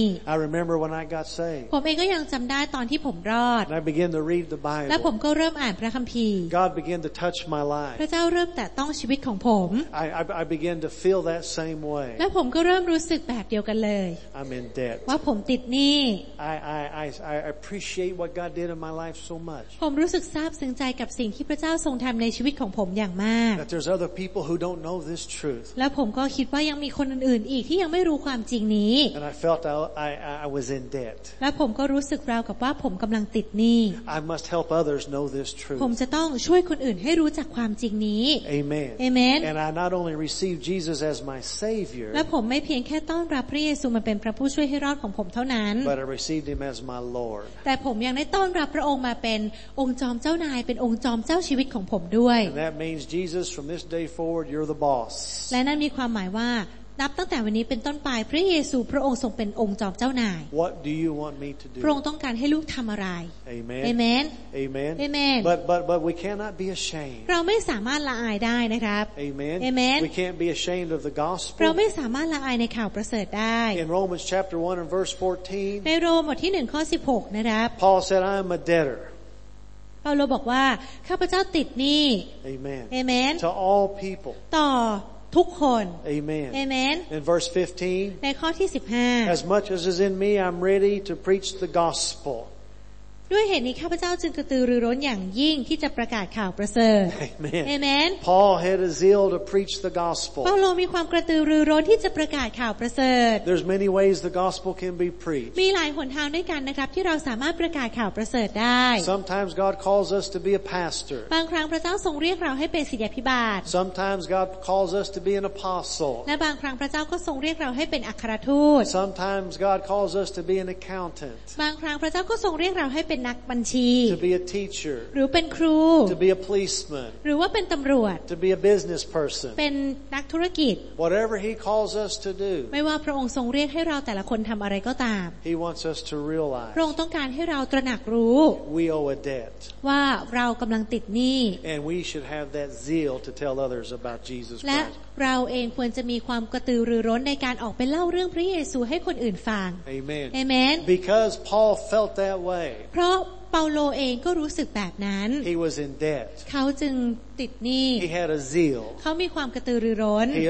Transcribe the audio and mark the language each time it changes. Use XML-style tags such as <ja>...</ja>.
<en>I remember when I got saved</en> <th>ผมเองก็ยังจำได้ตอนที่ผมรอด</th> <en>I began to read the Bible</en> <th>และผมก็เริ่มอ่านพระคัมภีร์</th> <en>God began to touch my life</en> <th>พระเจ้าเริ่มแตะต้องชีวิตของผม</th> <en>I began to feel that same way</en> <th>และผมก็เริ่มรู้สึกแบบเดียวกันเลย</th> <en>I'm in debt</en> <th>ว่าผมติดหนี้</th> <en>I appreciate what God did in my life so much</en> <th>ผมรู้สึกซาบซึ้งใจกับสิ่งที่พระเจ้าทรงทำในชีวิตของผมอย่างมาก</th> <en>That there's other people who don't know this truth</en> <th>และผมก็คิดว่ายังมีคนอื่นอีกที่ยังไม่รู้ความจริงนี้</th> <en>And I felt I was in debt</en> <th>และผมก็รู้สึกราวกับว่าผมกำลังติดหนี้</th> <en>I must help others know this truth</en> <th>ผมจะต้องช่วยคนอื่นให้รู้จักความจริงนี้</th> <en>Amen Amen And I not only received Jesus as my savior</en> <th>และผมไม่เพียงแค่ต้อนรับพระเยซูมาเป็นพระผู้ช่วยให้รอดของผมเท่านั้น</th> <en>But I received him as my lord</en> <th>แต่ผมยังได้ต้อนรับพระองค์มาเป็นองค์จอมเจ้านายเป็นองค์จอมเจ้าชีวิตของผมด้วย</th> <en>That means Jesus from this day forward you're the boss</en> <th>และนั่นมีความหมายว่านับตั้งแต่วันนี้เป็นต้นไปพระเยซูพระองค์ทรงเป็นองค์จอมเจ้านาย</th> <en>What do you want me to do?</en> <th>พระองค์ต้องการให้ลูกทำอะไร</th> <en>Amen. Amen. Amen. Amen. But we cannot be ashamed.</en> <th>เราไม่สามารถละอายได้นะครับ</th> <en>Amen. Amen. We can't be ashamed of the gospel.</en> <th>เราไม่สามารถละอายในข่าวประเสริฐได้</th> <en>In Romans chapter 1 and verse 14.</en> <th>ในโรมบทที่1ข้อ16นะครับ</th> <en>Paul said I am a debtor.</en> <th>เปาโลบอกว่าข้าพเจ้าติดหนี้</th> <en>Amen. Amen. To all people.</en> <th>ต่อทุกคน</th> <en>Amen. Amen. In verse 15.</en> <th>ในข้อที่15.</th> <en>As much as is in me, I'm ready to preach the gospel.</en> <th>ด้วยเหตุนี้ข้าพเจ้าจึงกระตือรือร้นอย่างยิ่งที่จะประกาศข่าวประเสริฐ</th> <en>Amen. Amen. Paul had a zeal to preach the gospel.</en> <th>เปาโลมีความกระตือรือร้นที่จะประกาศข่าวประเสริฐ</th> <en>There's many ways the gospel can be preached.</en> <th>มีหลายหนทางด้วยกันนะครับที่เราสามารถประกาศข่าวประเสริฐได้</th> <en>Sometimes God calls us to be a pastor.</en> <th>บางครั้งพระเจ้าทรงเรียกเราให้เป็นศิษยาภิบาล</th> <en>Sometimes God calls us to be an apostle.</en> <th>และบางครั้งพระเจ้าก็ทรงเรียกเราให้เป็นอัครทูต</th> <en>Sometimes God calls us to be an accountant.</en> <th>บางครั้งพระเจ้าก็ทรงเรียกเราให้เป็นนักบัญชี</th> <en>to be a teacher</en> <th>หรือเป็นครู</th> <en>to be a policeman</en> <th>หรือว่าเป็นตำรวจ</th> <en>to be a business person</en> <th>เป็นนักธุรกิจ</th> <en>whatever he calls us to do</en> <th>ไม่ว่าพระองค์ทรงเรียกให้เราแต่ละคนทำอะไรก็ตาม</th> <en>he wants us to realize</en> <th>พระองค์ต้องการให้เราตระหนักรู้</th> <en>we owe a debt</en> <th>ว่าเรากำลังติดหนี้</th> <en>and we should have that zeal to tell others about Jesus Christ</en> <th>และเราเองควรจะมีความกระตือรือร้นในการออกไปเล่าเรื่องพระเยซูให้คนอื่นฟัง</th> <en>amen amen because Paul felt that way</en> <th>เพราะเปาโลเองก็รู้สึกแบบนั้น</th> <en>He was in debt</en> <th>เขาจึงติดหนี้</th> <en>He had a zeal</en> <th>เขามีความกระตือรือร้น</th>